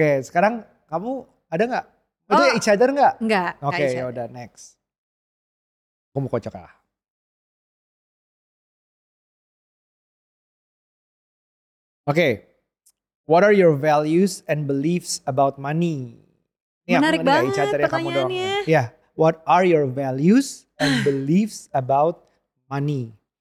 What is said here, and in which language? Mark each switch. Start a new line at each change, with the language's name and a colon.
Indonesian: sekarang kamu ada gak? Ada
English: each other
Indonesian: gak? Enggak. Oke, yaudah next. Aku mau kocok lah. Oke.
English: What are your values and beliefs about money?
Indonesian: Ya, menarik banget pertanyaannya.
English: Yeah. What are your values and beliefs about money?